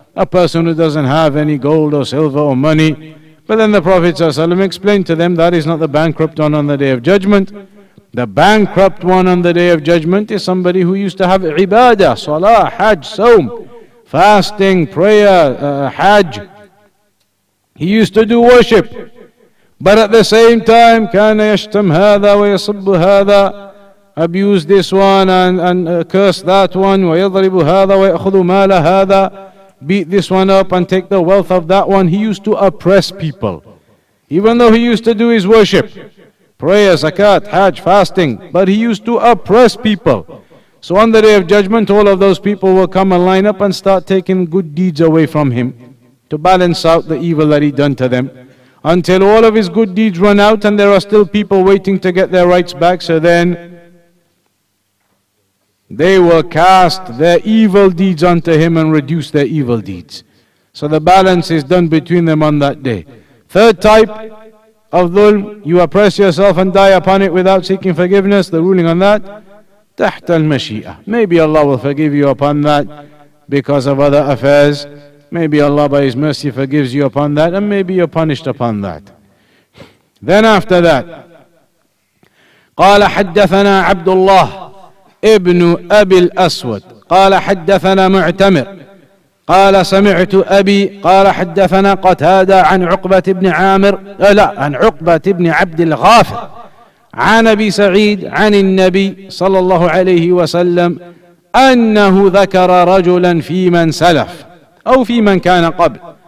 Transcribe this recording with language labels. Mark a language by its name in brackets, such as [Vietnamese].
[English] A person who doesn't have any gold or silver or money. But then the Prophet ﷺ explained to them, that is not the bankrupt one on the day of judgment. The bankrupt one on the day of judgment is somebody who used to have ibadah, salah, hajj, sawm, fasting, prayer, hajj. He used to do worship. But at the same time, [Arabic] كان يشتم هذا ويصب هذا, [English] abuse this one and curse that one, [Arabic] ويضرب هذا ويأخذ مال هذا, [English] beat this one up and take the wealth of that one. He used to oppress people. Even though he used to do his worship, prayer, zakat, hajj, fasting, but he used to oppress people. So on the day of judgment, all of those people will come and line up and start taking good deeds away from him to balance out the evil that he done to them. Until all of his good deeds run out and there are still people waiting to get their rights back, so then they will cast their evil deeds onto him and reduce their evil deeds. So the balance is done between them on that day. Third type of dhulm, you oppress yourself and die upon it without seeking forgiveness, the ruling on that, [Arabic] تحت المشيئة. [English] Maybe Allah will forgive you upon that because of other affairs. Maybe Allah by His mercy forgives you upon that, and maybe you're punished upon that. Then after that, [Arabic] قال حدثنا عبد الله ابن أبي الأسود قال حدثنا معتمر قال سمعت أبي قال حدثنا قتادة عن عقبة ابن عامر لا عن عقبة ابن عبد الغافر عن أبي سعيد عن النبي صلى الله عليه وسلم أنه ذكر رجلا في من سلف أو في من كان قبل